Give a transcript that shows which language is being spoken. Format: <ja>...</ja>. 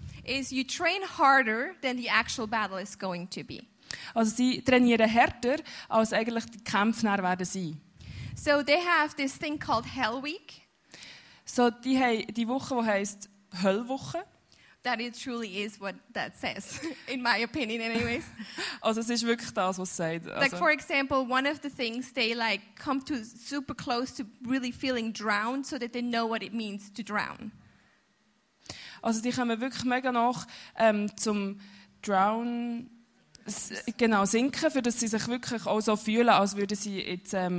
<en>is you train harder than the actual battle is going to be.</en> <de>Also sie trainieren härter als eigentlich die Kämpfe nachher werden sie.</de> <en>So they have this thing called Hell Week.</en> <de>So die haben die Woche, wo heißt Höllwoche.</de> <en>That it truly is what that says, in my opinion, anyways.</en> <de>Also es ist wirklich das, was es sagt. Also,</de> <en>like, for example, one of the things, they like come to super close to really feeling drowned, so that they know what it means to drown.</en> <de>Also die kommen wirklich mega nach zum Drown, genau, sinken, für dass sie sich wirklich auch so fühlen, als würden sie jetzt,</de>